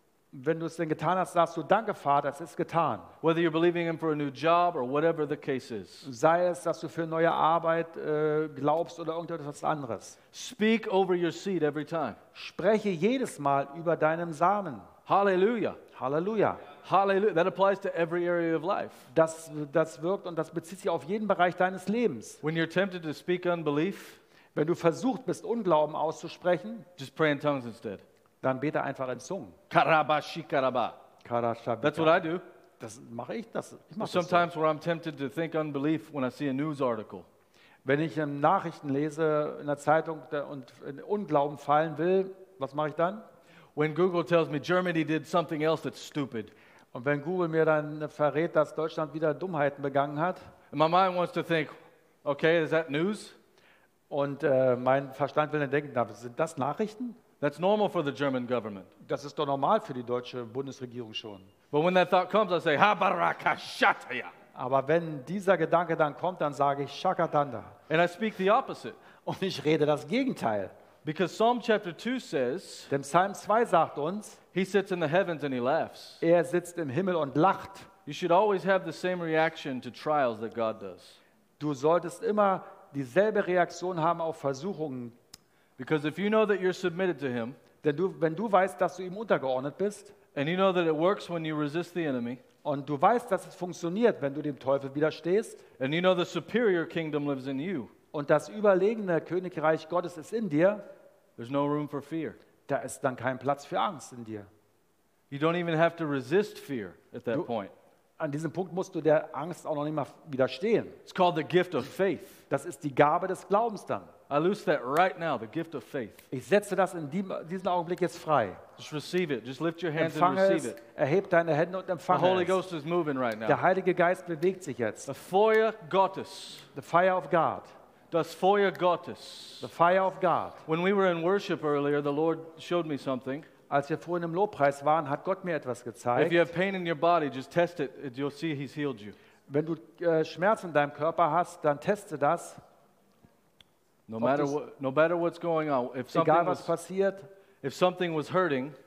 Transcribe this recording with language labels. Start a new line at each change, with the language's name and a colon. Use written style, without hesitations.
German: Wenn du es denn getan hast, sagst du, danke, Vater, es ist getan.
English: Whether you're believing him for a new job or whatever the case is.
German: Sei es, dass du für neue Arbeit glaubst oder irgendetwas anderes.
English: Speak over your seed every time.
German: Spreche jedes Mal über deinem Samen. Hallelujah. Hallelujah. Hallelujah.
English: That applies to every area of life.
German: Das wirkt und das bezieht sich auf jeden Bereich deines Lebens.
English: When you're tempted to speak unbelief,
German: wenn du versucht bist, Unglauben auszusprechen,
English: just pray in tongues instead.
German: Dann bete einfach in Zungen.
English: Karabashi karaba. That's what I do.
German: Das mache ich.
English: Sometimes when I'm tempted to think unbelief when I see a news article.
German: Wenn ich in Nachrichten lese in der Zeitung und in Unglauben fallen will, was mache ich dann?
English: When Google tells me Germany did something else that's stupid.
German: Und wenn Google mir dann verrät, dass Deutschland wieder Dummheiten begangen hat.
English: And my mind wants to think, okay, is that news?
German: Und mein Verstand will dann denken, na, sind das Nachrichten?
English: That's normal for the German government.
German: Das ist doch normal für die deutsche Bundesregierung schon.
English: But when that thought comes, I say, Habaraka Shataya.
German: Aber wenn dieser Gedanke dann kommt, dann sage ich Shakatanda.
English: And I speak the opposite.
German: Und ich rede das Gegenteil.
English: Because Psalm chapter 2 says,
German: denn Psalm 2 sagt uns,
English: he sits in the heavens and he laughs.
German: Er sitzt im Himmel und lacht.
English: You should always have the same reaction to trials that God does.
German: Du solltest immer dieselbe Reaktion haben auf Versuchungen.
English: Because if you know that you're submitted to him,
German: wenn du weißt, dass du ihm untergeordnet bist,
English: and you know that it works when you resist the enemy,
German: und du weißt, dass es funktioniert, wenn du dem Teufel widerstehst,
English: and you know the superior kingdom lives in you,
German: und das überlegene Königreich Gottes ist in dir,
English: there's no room for fear.
German: Da ist dann kein Platz für Angst in dir.
English: You don't even have to resist fear at that point.
German: An diesem Punkt musst du der Angst auch noch nicht mal widerstehen.
English: It's called the gift of faith.
German: Das ist die Gabe des Glaubens dann.
English: I lose that right now, the gift of faith.
German: Ich setze das in diesem Augenblick jetzt frei.
English: Just receive it. Just lift your hands and receive it.
German: Erheb deine Hände und empfange es.
English: The Holy Ghost is moving right now.
German: Der Heilige Geist bewegt sich jetzt.
English: The fire
German: Gottes.
English: The fire of God.
German: Das Feuer Gottes.
English: The fire of God. When we were in worship earlier, the Lord showed me something.
German: Als wir vorhin im Lobpreis waren, hat Gott mir etwas gezeigt.
English: If you have pain in your body, just test it. You'll see he's healed you.
German: Wenn du Schmerzen in deinem Körper hast, dann teste das.
English: No matter what's going on, if something
German: egal,
English: if something was hurting,